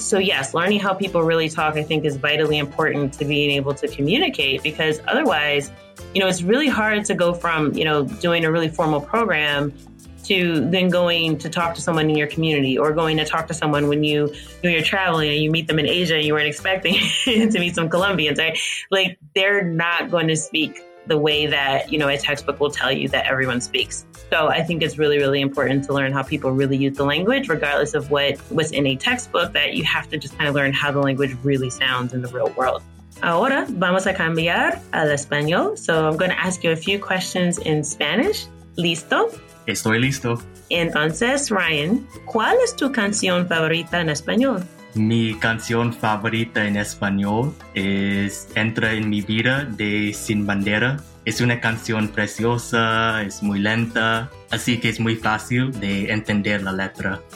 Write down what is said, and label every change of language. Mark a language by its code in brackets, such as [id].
[en] So yes, learning how people really talk, I think, is vitally important to being able to communicate, because otherwise, you know, it's really hard to go from, you know, doing a really formal program to then going to talk to someone in your community, or going to talk to someone when you're traveling and you meet them in Asia and you weren't expecting to meet some Colombians, right? Like, they're not going to speak the way that, you know, a textbook will tell you that everyone speaks. So I think it's really, really important to learn how people really use the language, regardless of what was in a textbook, that you have to just kind of learn how the language really sounds in the real world. [es] Ahora vamos a cambiar al español. [en] So I'm going to ask you a few questions in Spanish. [es] ¿Listo? Estoy listo. Entonces, Ryan, ¿cuál es tu canción favorita en español? Mi canción favorita en español es Entra en mi vida de Sin Bandera. Es una canción preciosa, es muy lenta, así que es muy fácil de entender la letra.